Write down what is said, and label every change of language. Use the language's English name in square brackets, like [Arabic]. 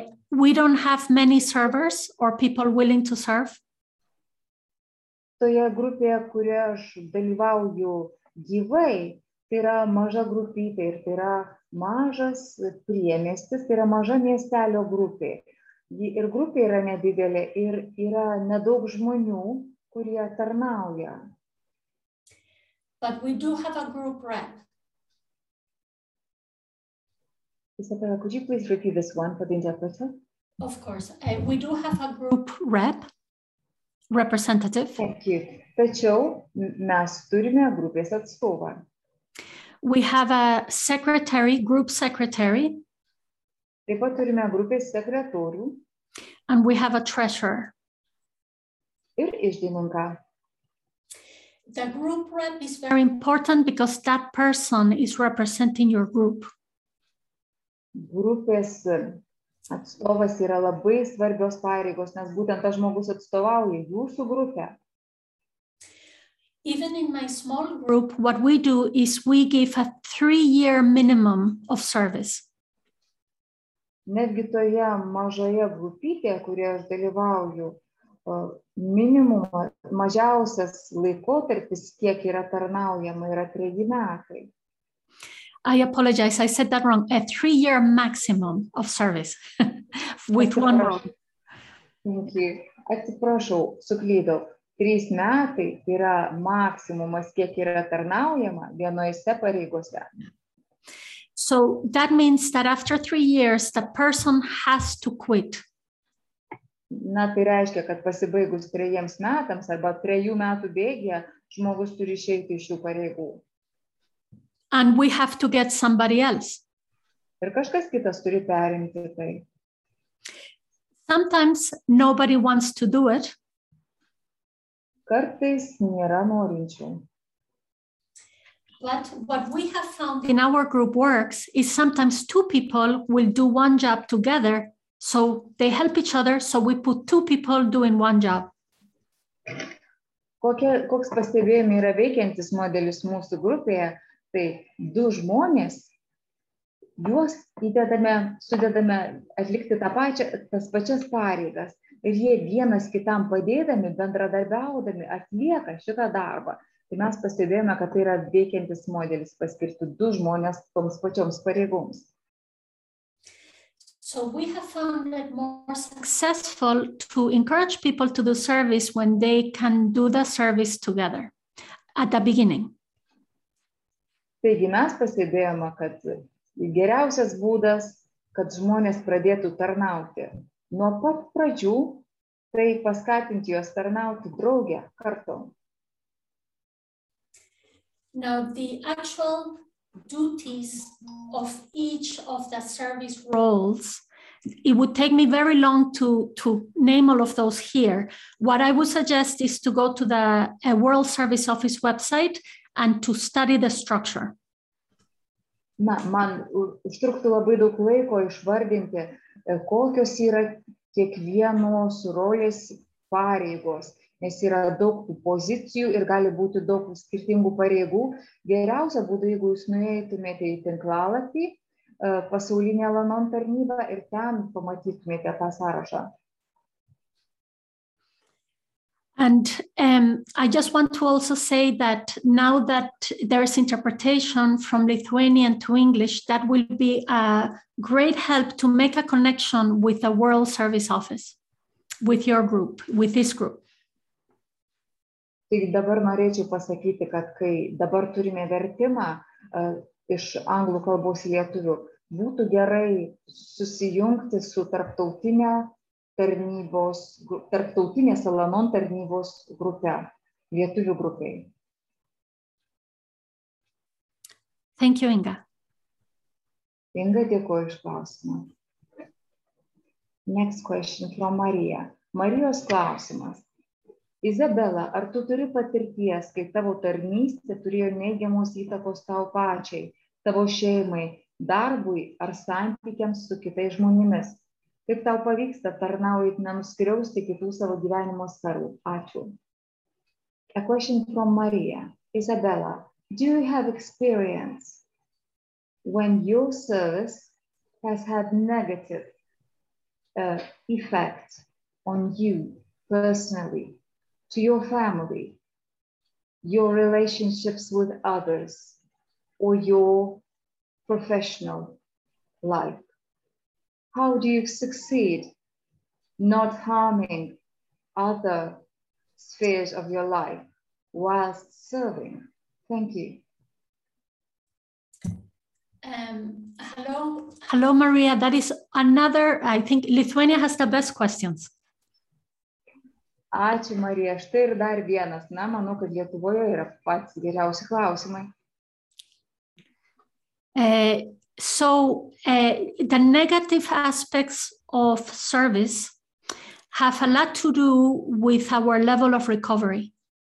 [English] We don't have many servers or people willing to serve. [Lithuanian] Toje grupėje, kurioje aš dalyvauju gyvai, tai yra maža grupytė ir tai yra mažas priemiestis, tai yra maža miestelio grupė. Ir grupė yra nedidelė ir yra nedaug žmonių, kurie tarnauja. [English] But we do have a group rep. Isabella, could you please repeat this one for the interpreter? Of course. We do have a group rep, representative. Thank you. [Lithuanian] Tačiau mes turime grupės atstovą. [English] We have a secretary, group secretary. [Lithuanian] Taip pat turime grupės sekretorių. [English] And we have a treasurer. [Lithuanian] Ir išdininką. [English] The group rep is very important because that person is representing your group. [Lithuanian] Grupės atstovas yra labai svarbios pareigos, nes būtent tas žmogus atstovauja jūsų grupę. [English] Even in my small group, what we do is we give a 3-year minimum of service. [Lithuanian] Netgi toje mažoje grupytėje, kurioje aš dalyvauju, minimum mažiausias laikotarpis, kiek yra tarnaujama, yra 3 metai. [English] I apologize, I said that wrong. A 3-year maximum of service with one role. Thank you. [Lithuanian] Atsiprašau, suklydau. 3 metai yra maksimumas, kiek yra tarnaujama vienoje pareigose. [English] So that means that after 3 years, the person has to quit. [Lithuanian] Na, tai reiškia, kad pasibaigus 3 metams arba 3 metų bėgė, žmogus turi išeiti iš šių pareigų. [English] and we have to get somebody else. [Lithuanian] Ir kažkas kitas turi perimti tai. [English] Sometimes nobody wants to do it. [Lithuanian] Kartais nėra norinčių. [English] But what we have found in our group works is sometimes two people will do one job together, so they help each other, so we put two people doing one job. [Lithuanian] Koks pastebėjimai yra veikiantis modelis mūsų grupėje, tai du žmonės, juos sudedame atlikti tas pačias pareigas. Ir jie vienas kitam padėdami, bendradarbiaudami, atlieka šitą darbą. Tai mes pastebėjome, kad tai yra veikiantis modelis paskirti du žmonės toms pačioms pareigoms. [English] So we have found it more successful to encourage people to do service when they can do the service together at the beginning. [Lithuanian] Taigi mes pastebėjome, kad geriausias būdas, kad žmonės pradėtų tarnauti. Nuo pat pradžių, tai paskatinti juos tarnauti draugę kartu. [English] Now, the actual duties of each of the service roles, it would take me very long to name all of those here. What I would suggest is to go to the World Service Office website and to study the structure. [Lithuanian] Na, man užtruktų labai daug laiko išvardinti, kokios yra kiekvienos rolės pareigos. Nes yra daug pozicijų ir gali būti daug skirtingų pareigų. Geriausia būtų, jeigu jūs nuėtumėte į tinklalapį, pasaulinę LANON tarnybą ir ten pamatytumėte tą sąrašą. [English] And I just want to also say that now that there is interpretation from Lithuanian to English, that will be a great help to make a connection with the World Service Office, with your group, with this group. [Lithuanian] Tik dabar norėčiau pasakyti, kad kai dabar turime vertimą iš anglų kalbos lietuvių, būtų gerai susijungti su tarptautinės LANON tarnybos grupė, lietuvių grupėje. [English] Thank you, Inga. [Lithuanian] Inga, dėkuoju už klausimą. [English] Next question from Maria. [Lithuanian] Marijos klausimas. Izabela, ar tu turi patirties, kai tavo tarnystė turėjo neigiamos įtakos tau pačiai, tavo šeimai, darbui ar santykiams su kitais žmonėmis? Kaip tau pavyksta tarnaujant nenuskriausti kitų savo gyvenimo sferų? Ačiū. [English] A question from Maria. Izabela, do you have experience when your service has had negative effect on you personally? To your family, your relationships with others, or your professional life? How do you succeed not harming other spheres of your life whilst serving? Thank you. Hello, Maria. That is another, I think Lithuania has the best questions. [Lithuanian] Ačiū, Marija. Štai ir dar vienas. Na, manau, kad Lietuvoje yra pats geriausi klausimai. [English] The negative aspects of service have a lot to do with our level of recovery.